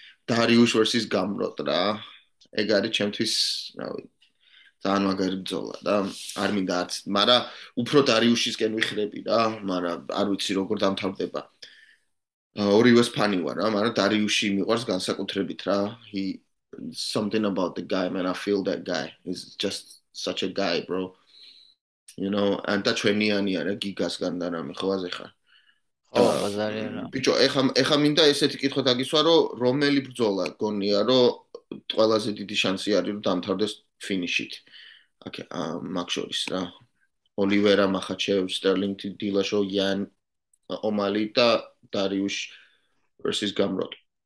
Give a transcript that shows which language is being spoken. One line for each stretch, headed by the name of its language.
Georgian: დარიუს versus გამროტ რა. ეგ არის ჩემთვის, რა ვიცი, ძალიან მაგარი ბრძოლა და არ მინდა არც, მაგრამ უფრო დარიუსისკენ ვიხრები რა, მაგრამ არ ვიცი როგორ დამთავრდება. ორივეს ფანი ვარ რა, მაგრამ დარიუსი მიყვარს განსაკუთრებით რა.
English: He something about the guy, man, I feel that guy. He's just such a guy, bro.
Georgian: You know, and that ჩვენიანი არა გიგასგან და რამე ხო აზე ხარ. ო, ბაზარია რა. ბიჭო, ეხა მინდა ესეთი კითხვა დაგისვა, რომ რომელი ბრძოლა გონია, რომ ყველაზე დიდი შანსი არის, რომ დამთავრდეს ფინიშით. აკე, მაგ შორის რა. ოლივერა მახაჩევ, სტერლინგ დილაშო, იან ომალი და დარიუს versus გამროტ.